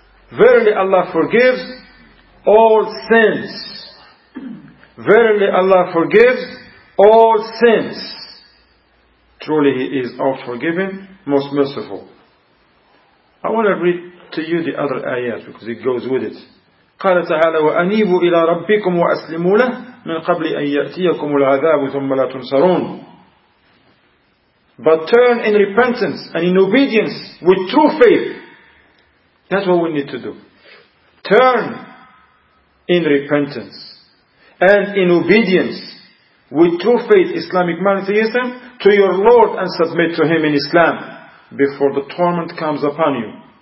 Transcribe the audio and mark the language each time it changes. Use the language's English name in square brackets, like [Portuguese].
[English] Verily Allah forgives all sins. Verily Allah forgives all sins. Truly He is all forgiving, most merciful. I want to read to you the other ayat because it goes with it. [Arabic] قال تعالى وأنيبوا إلى ربكم وأسلموا له من قبل أن يأتيكم العذاب ثم لا تنصرون. [English] But turn in repentance and in obedience with true faith. That's what we need to do. Turn in repentance and in obedience with true faith, Islamic monotheism, to your Lord and submit to Him in Islam before the torment comes upon you.